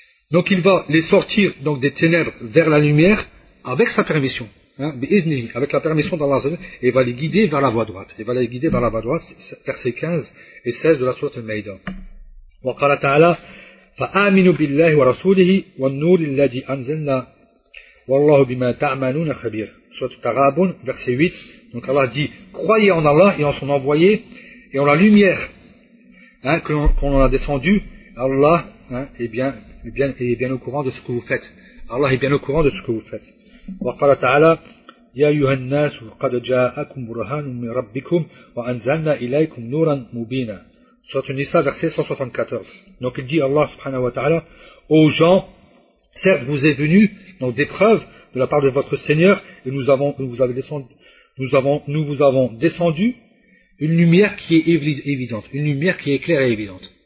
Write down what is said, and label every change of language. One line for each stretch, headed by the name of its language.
French: Donc il va les sortir donc des ténèbres vers la lumière avec sa permission. Hein, avec la permission d'Allah, et va les guider vers la voie droite. Et va les guider vers la voie droite, verset 15 et 16 de la sourate Al-Maïda.
Arabic: Wa qala ta'ala, فآمنوا بالله ورسوله والنور الذي أنزلنا والله بما تعملون خبير. سورة التغابن
French: verset 8. Donc Allah dit, croyez en Allah et en son envoyé et en la lumière qu'on a descendu. Allah est bien au courant de ce que vous faites. Allah est bien au courant de ce que vous faites.
Arabic: وقال تعالى يا أيها الناس قد جاءكم برهان من ربكم وأنزلنا إليكم نورا مبينا.
French: Sourate An-Nisa, verset 174. Donc il dit Allah subhanahu wa ta'ala, ô gens, certes vous est venu donc des preuves de la part de votre Seigneur, et nous vous avons descendu une lumière qui est évidente, une lumière qui est claire et évidente.